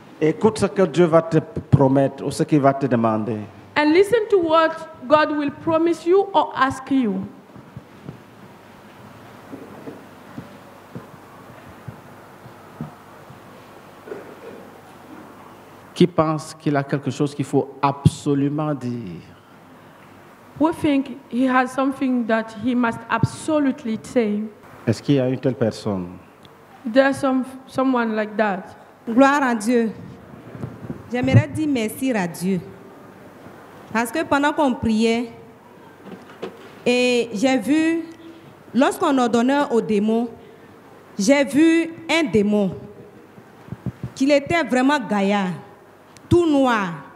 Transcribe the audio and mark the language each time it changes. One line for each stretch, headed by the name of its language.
French: Écoute ce que Dieu va te promettre ou ce qu'il va te demander.
English: And listen to what God will promise you or ask you.
French: Qui pense qu'il a quelque chose qu'il faut absolument dire?
English: We think he has something that he must absolutely say.
French: Est-ce qu'il y a une telle personne?
English: There's someone like that.
French: Gloire à Dieu. J'aimerais dire merci à Dieu. Parce que pendant qu'on priait, et j'ai vu, lorsqu'on ordonnait au démon, j'ai vu un démon qui était vraiment gaillard, tout noir.